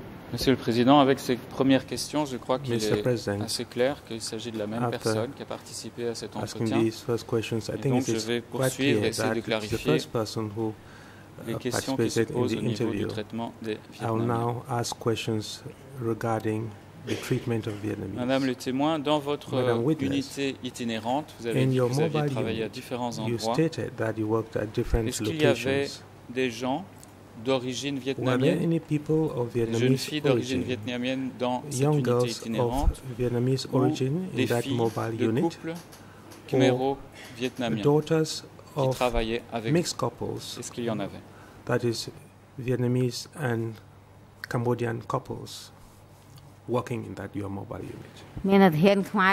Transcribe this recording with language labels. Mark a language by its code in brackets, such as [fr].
[fr] Monsieur le Président, avec ces premières questions, je crois qu'il est assez clair qu'il s'agit de la même personne qui a participé à cet entretien. [en] These first questions, I think [fr] et donc, je vais poursuivre et essayer de clarifier les questions qui se posent au niveau du traitement des Vietnamiens. [en] I will now ask questions regarding the treatment of Vietnamese. [fr] Madame le témoin, dans votre unité itinérante, vous avez dit que vous aviez travaillé à différents endroits. Est-ce qu'il y avait des gens d'origine vietnamienne, jeunes filles d'origine vietnamienne dans cette unité itinérante, ou des filles de couple, Khmero vietnamiens qui travaillaient avec [en] mixed couples, [fr] est-ce qu'il y en avait? [en] That is, Vietnamese and Cambodian couples working in that your mobile unit.